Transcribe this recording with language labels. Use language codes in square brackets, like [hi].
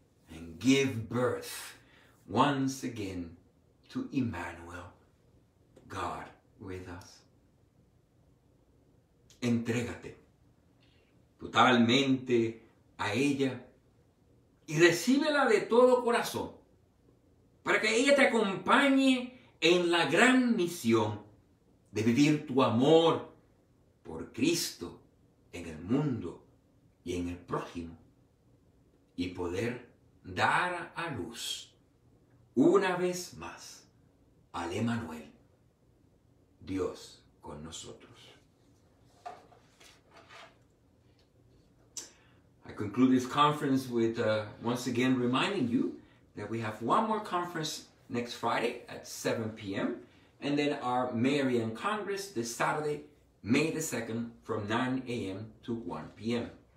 [en] and give birth once again to Emmanuel, God with us. [es] Entrégate totalmente a ella y recíbela de todo corazón para que ella te acompañe en la gran misión de vivir tu amor por Cristo en el mundo y en el prójimo y poder dar a luz una vez más al Emmanuel, Dios con nosotros. [en] I conclude this conference with once again reminding you that we have one more conference next Friday at 7 p.m. and then our Marian Congress this Saturday, May the 2nd, from 9 a.m. to 1 p.m.